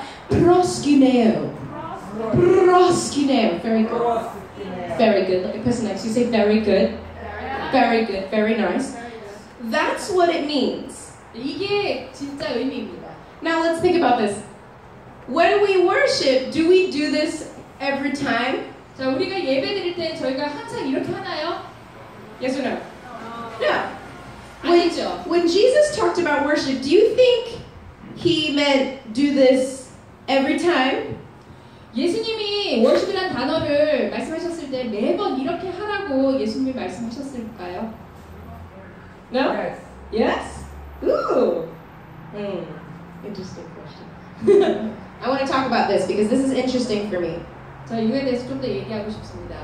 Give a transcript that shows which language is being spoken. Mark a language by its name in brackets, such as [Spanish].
[English] proskuneo. Proskuneo, very good. Very good. Look at the person next. You say very good. Very good. Very nice. That's what it means. [Korean] 이게 진짜 의미입니다. [English] Now let's think about this. When we worship, do we do this every time? [Korean] 자, 우리가 예배드릴 때 저희가 항상 이렇게 하나요? [English] Yes or no? No. [Korean] 아니죠. [English] When Jesus talked about worship, do you think he meant do this every time? [Korean] 예수님이 worship이라는 단어를 말씀하셨을 때 매번 이렇게 하라고 예수님이 말씀하셨을까요? [English] No? Yes. Yes? Ooh. Interesting question. I want to talk about this because this is interesting for me. [Korean] 자, 이거에 대해서 좀 더 얘기하고 싶습니다.